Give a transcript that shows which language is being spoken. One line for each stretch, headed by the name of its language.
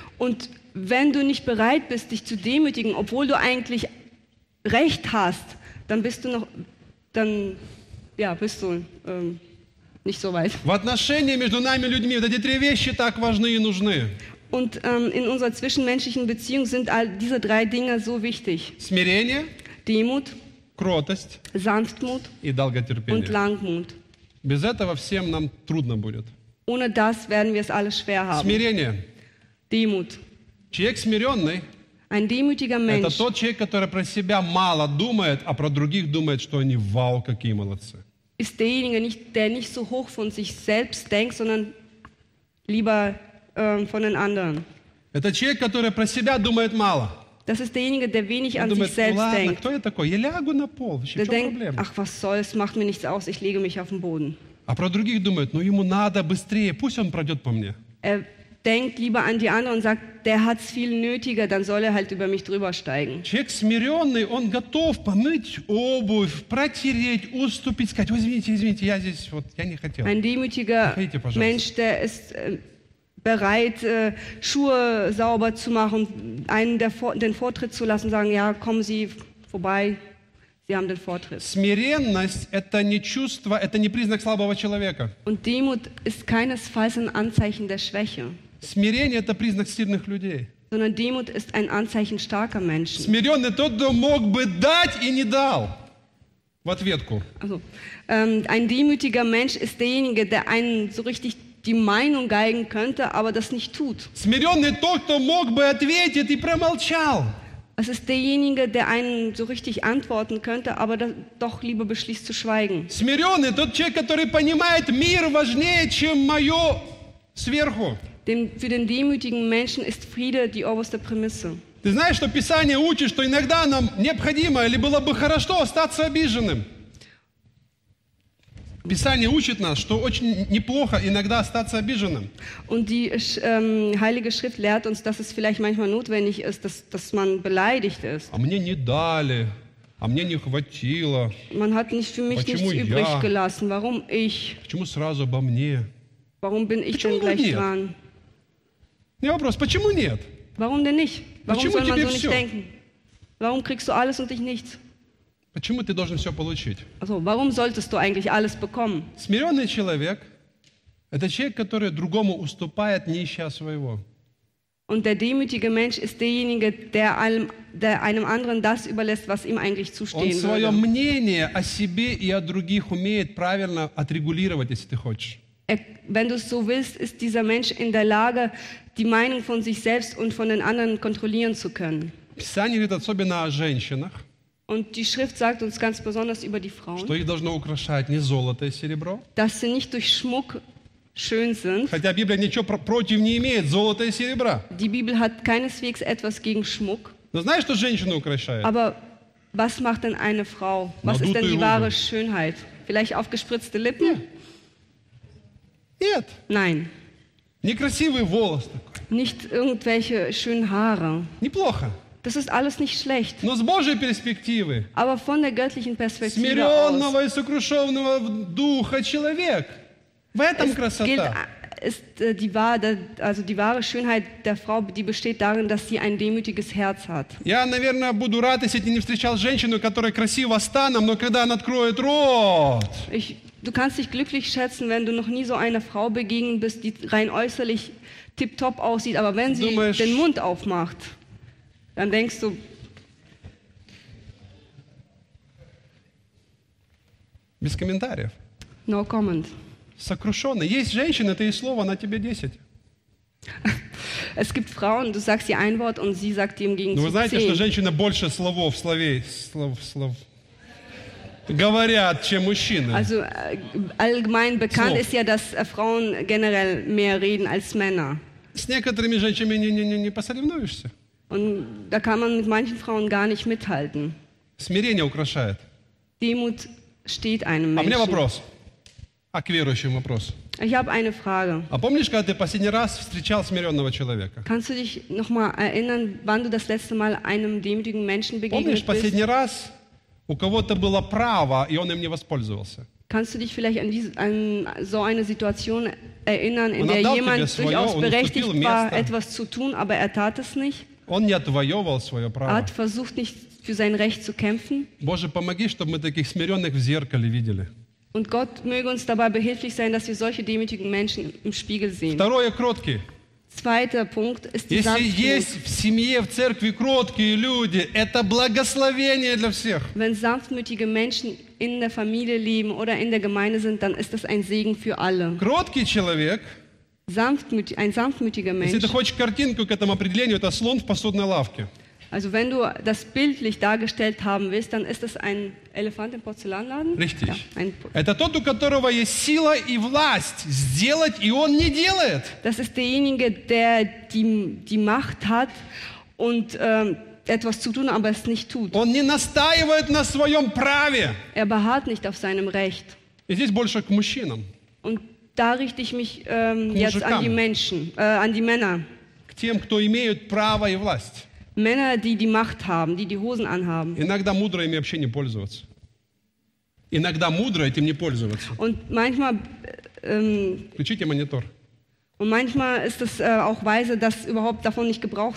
German: Und wenn du nicht bereit bist, dich zu demütigen, obwohl du eigentlich Recht hast, dann bist du noch, dann, ja, bist du... Nicht so weit.
Russian: В отношениях между нами людьми вот эти три вещи так важны и нужны.
German: Und in unserer zwischenmenschlichen Beziehung sind all diese drei Dinge so wichtig.
Russian: Смирение,
German: Demut,
Russian: кротость,
German: Sanftmut
Russian: и долготерпение.
German: Und Langmut.
Russian: Без этого всем нам трудно будет.
German: Ohne das werden wir es alle schwer haben.
Russian: Смирение.
German: Demut.
Russian: Человек смиренный.
German: Ein demütiger Mensch.
Russian: Это тот человек, который про себя мало думает, а про других думает, что они вау, какие молодцы.
German: Ist derjenige, nicht, der nicht so hoch von sich selbst denkt, sondern lieber von den anderen.
Russian: Это человек, который про себя думает мало.
German: Das ist derjenige, der wenig an sich selbst denkt.
Russian: Кто я такой? Я лягу на пол. Вообще,
German: der denkt, ach was soll, es macht mir nichts aus, ich lege mich auf den Boden.
Russian: А про других думает, ну ему надо быстрее, пусть он пройдет по мне.
German: Er denkt lieber an die anderen und sagt, der hat es viel nötiger, dann soll er halt über mich drüber steigen.
Russian: Человек смиренный, он готов помыть обувь, протереть, уступить, сказать, извините, я здесь, вот, я не хотел.
German: Ein demütiger Mensch, der ist bereit, Schuhe sauber zu machen, einen den Vortritt zu lassen, sagen, ja, kommen Sie vorbei, Sie haben den Vortritt.
Russian: Смиренность – это не чувство, это не признак слабого человека.
German: Und Demut ist keinesfalls ein Anzeichen der Schwäche.
Russian: Смирение – это признак сильных людей.
German: Sondern Demut ist ein Anzeichen starker Menschen.
Russian: Смиренный – тот, кто мог бы дать и не дал в ответку.
German: Also, ein demütiger Mensch ist derjenige, der einen so richtig die Meinung geigen könnte, aber das nicht tut.
Russian: Смиренный – тот, кто мог бы ответить и промолчал.
German: Es ist derjenige, der einen so richtig antworten könnte, aber doch lieber beschließt zu schweigen.
Russian: Смиренный – тот человек, который понимает, мир важнее, чем мое сверху.
German: Dem, für den demütigen Menschen ist Friede die oberste Prämisse.
Russian: Ты знаешь, что Писание учит, что иногда нам необходимо или было бы хорошо остаться обиженным. Писание учит нас, что очень неплохо иногда остаться обиженным.
German: Und die Heilige Schrift lehrt uns, dass es vielleicht manchmal notwendig ist, dass man beleidigt ist.
Russian: А мне не дали, а мне не хватило.
German: Man hat nicht für mich
Russian: Почему
German: nichts
Russian: я?
German: Übrig gelassen. Warum ich?
Russian: Почему сразу обо мне?
German: Warum bin ich denn gleich
Russian: нет?
German: Dran?
Russian: Не вопрос, почему нет?
German: Warum denn nicht? Warum
Russian: почему
German: soll man
Russian: тебе
German: so
Russian: все?
German: Nicht denken? Warum kriegst du alles und ich nichts?
Russian: Почему ты должен все получить?
German: Also, warum solltest du eigentlich alles bekommen?
Russian: Смиренный человек – это человек, который другому уступает, не ища своего.
German: Und der demütige Mensch ist derjenige, der einem anderen das überlässt, was ihm eigentlich zustehen würde.
Russian: Он свое мнение о себе и о других умеет правильно отрегулировать, если ты хочешь.
German: Wenn du es so willst, ist dieser Mensch in der Lage, die Meinung von sich selbst und von den anderen kontrollieren zu können.
Russian: Писание говорит особенно о женщинах.
German: Und die Schrift sagt uns ganz besonders über die Frauen,
Russian: что их должно украшать не золото и серебро,
German: dass sie nicht durch Schmuck schön sind.
Russian: Хотя Библия ничего против не имеет золота и серебра.
German: Die Bibel hat keineswegs etwas gegen Schmuck.
Russian: Но знаешь, что женщину украшает?
German: Aber was macht denn eine Frau? Was ist denn die wahre Schönheit? Vielleicht aufgespritzte Lippen? Ja.
Russian: Нет.
German: Nein.
Russian: Некрасивый волос такой.
German: Nicht irgendwelche schönen Haare.
Russian: Неплохо.
German: Das ist alles nicht schlecht.
Russian: Но с Божьей перспективы.
German: Aber von der göttlichen Perspektive
Russian: смиренного
German: aus.
Russian: И сокрушенного духа человек. В этом
German: es
Russian: красота.
German: Gilt, ist die wahre, also die wahre Schönheit der Frau, die besteht darin, dass sie ein demütiges Herz hat.
Russian: Я, наверное, буду рад, если ты не встречал женщину, которая красива станом, но когда она откроет рот.
German: Du kannst dich glücklich schätzen, wenn du noch nie so einer Frau begegnet bist, die rein äußerlich tipptopp aussieht, aber wenn sie
Russian: Думаешь,
German: den Mund aufmacht, dann denkst du...
Russian: Без комментариев.
English: No comment.
Russian: сокрушенный. Есть женщина, это и слово, она тебе 10.
German: Es gibt Frauen, du sagst ihr ein Wort und sie sagt ihm gegen zu 10.
Russian: Вы знаете, что женщина больше словов, словей, слов, слов. Говорят, чем мужчины.
German: Also allgemein bekannt ist ja, dass Frauen generell mehr reden als Männer.
Russian: С некоторыми женщинами не посоревнуешься.
German: Und da kann man mit manchen Frauen gar nicht mithalten.
Russian: Смирение украшает.
German: Demut steht einem Menschen.
Russian: А мне вопрос. А к верующим вопрос.
German: Ich habe eine Frage.
Russian: А помнишь, когда ты последний раз встречал смиренного человека?
German: Kannst du dich noch mal erinnern, wann du das letzte Mal einem demütigen Menschen begegnet bist?
Russian: Помнишь, последний раз у кого-то было право, и он им не воспользовался?
German: Kannst du dich vielleicht an so eine Situation erinnern, in der jemand durchaus berechtigt war, etwas zu tun, aber er tat es nicht?
Russian: Он не отвоевал свое право.
German: Hat versucht nicht für sein Recht zu kämpfen.
Russian: Боже, помоги, чтобы мы таких смиренных в зеркале видели.
German: Und Gott möge uns dabei behilflich sein, dass wir solche demütigen Menschen im Spiegel sehen.
Russian: Второе, кроткие.
German: Zweiter Punkt ist die Sanftmut.
Russian: Если есть в семье, в церкви кроткие люди, это благословение для всех.
German: Wenn sanftmütige Menschen in der Familie leben oder in der Gemeinde sind, dann ist das ein Segen für alle.
Russian: Кроткий человек.
German: Ein sanftmütiger Mensch.
Russian: Если ты хочешь картинку к этому определению, это слон в посудной лавке.
German: Also wenn du das bildlich dargestellt haben willst, dann ist das ein Elefant im Porzellanladen. Richtig. Ja,
Russian: Это тот, у которого есть сила и власть сделать, и он не делает.
German: Das ist derjenige, der die Macht hat und etwas zu tun, aber es nicht tut.
Russian: Он не настаивает на своем праве.
German: Er beharrt nicht auf seinem Recht.
Russian: И здесь больше к мужчинам.
German: Und da richte ich mich jetzt an die Menschen, an die Männer.
Russian: К тем, кто имеют право и власть.
German: Männer, die die Macht haben, die die Hosen anhaben.
Russian: Иногда мудрые ими вообще не пользоваться. Иногда мудрые этим не пользоваться.
German: Und manchmal,
Russian: Включите монитор.
German: Und manchmal ist es auch weise, das überhaupt davon nicht Gebrauch